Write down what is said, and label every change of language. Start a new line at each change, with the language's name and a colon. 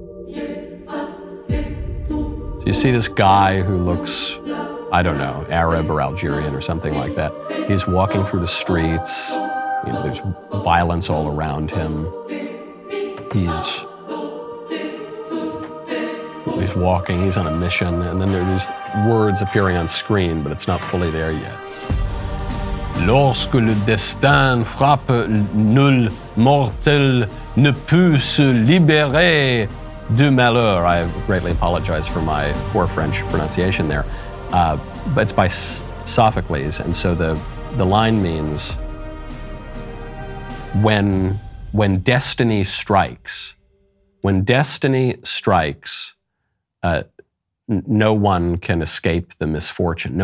English: So you see this guy who looks, I don't know, Arab or Algerian or something like that. He's walking through the streets. You know, there's violence all around him. He's walking, he's on a mission, and then there are these words appearing on screen, but it's not fully there yet.
French: Lorsque le destin frappe nul mortel ne peut se libérer du malheur.
English: I greatly apologize for my poor French pronunciation there. But it's by Sophocles, and so the line means when destiny strikes, no one can escape the misfortune.